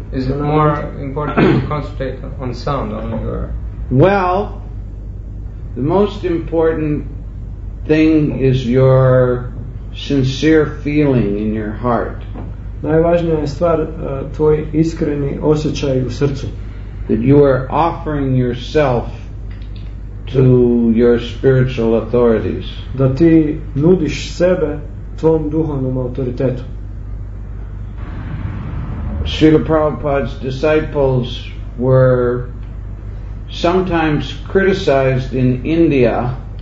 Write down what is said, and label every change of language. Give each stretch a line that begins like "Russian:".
English: Is it more important to concentrate on sound on your? Well, the most important thing is your sincere feeling in your heart.
Croatian: Najvažnija je stvar tvoj iskreni osjećaj u srcu.
English: That you are offering yourself to your spiritual authorities.
Croatian: Da ti nudiš sebe tvom duhovnom autoritetu.
English: Srila Prabhupada's disciples were sometimes criticized in India.